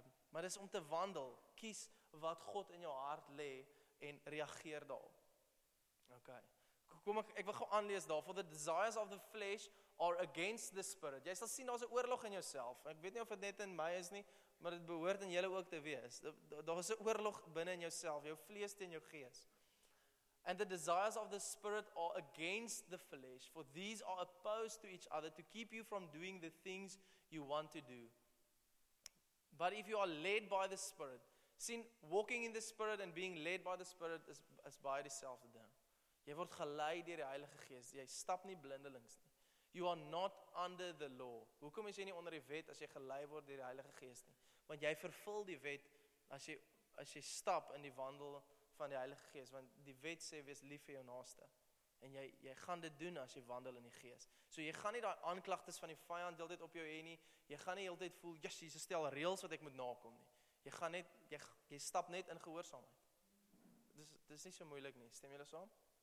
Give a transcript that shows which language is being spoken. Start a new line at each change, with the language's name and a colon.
Afrikaans: Maar dis om te wandel, kies wat God in jou hart lê, en reageer daarop. Okay, ek wil gaan aanlees daar,
English: for the desires of the flesh are against the spirit.
Afrikaans: Jy sal sien, daar is 'n oorlog in jouself. Ek weet nie of dit net in my is nie, maar dit behoort in julle ook te wees. Daar is 'n oorlog binne in jouself, jou vlees teen jou gees.
English: And the desires of the spirit are against the flesh, for these are opposed to each other to keep you from doing the things you want to do. But if you are led by the spirit,
Afrikaans: sien,
English: walking in the spirit and being led by the spirit is
Afrikaans: by dieselfde ding. Jy word gelei deur die Heilige Gees, jy stap nie blindelings nie.
English: You are not under the law.
Afrikaans: Hoekom is jy nie onder die wet as jy gelei word deur die Heilige Gees nie? Want jy vervul die wet as jy stap in die wandel van die Heilige Gees, want die wet sê, wees lief vir jou naaste, en jy gaan dit doen as jy wandel in die gees, so jy gaan nie die aanklagtes van die vijand deel dit op jou heen nie, jy gaan nie heel tyd voel, yes, Jesus stel reels wat ek moet nakom nie, jy stap net in gehoorsaamheid, dis nie so moeilik nie, stem julle saam?